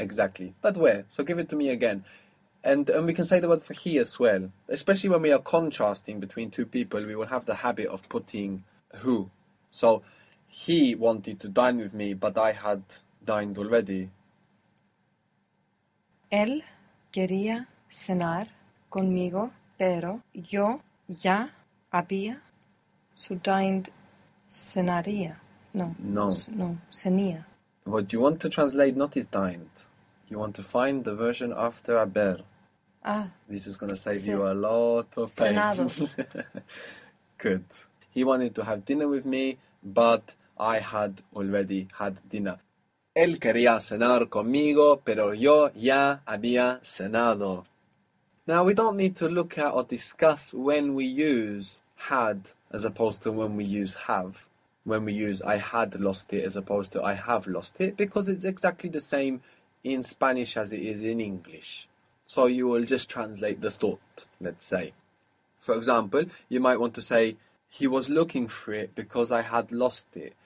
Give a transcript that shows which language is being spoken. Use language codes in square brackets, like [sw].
[en] Exactly. But where? So give it to me again. And we can say the word for he as well. Especially when we are contrasting between two people, we will have the habit of putting who. So he wanted to dine with me, but I had dined already. Él quería cenar conmigo, pero yo ya había subdined cenaría. [es] No, No. no, cenía. [en] What you want to translate not is dined. You want to find the version after haber. Ah, This is going to save you [es] se [en] a lot of pain. [es] cenado. [en] Good. He wanted to have dinner with me, but I had already had dinner. [es] Él quería cenar conmigo, pero yo ya había cenado. [en] Now, we don't need to look at or discuss when we use had as opposed to when we use have. When we use I had lost it as opposed to I have lost it, because it's exactly the same in Spanish as it is in English. So you will just translate the thought, let's say. For example, you might want to say, he was looking for it because I had lost it.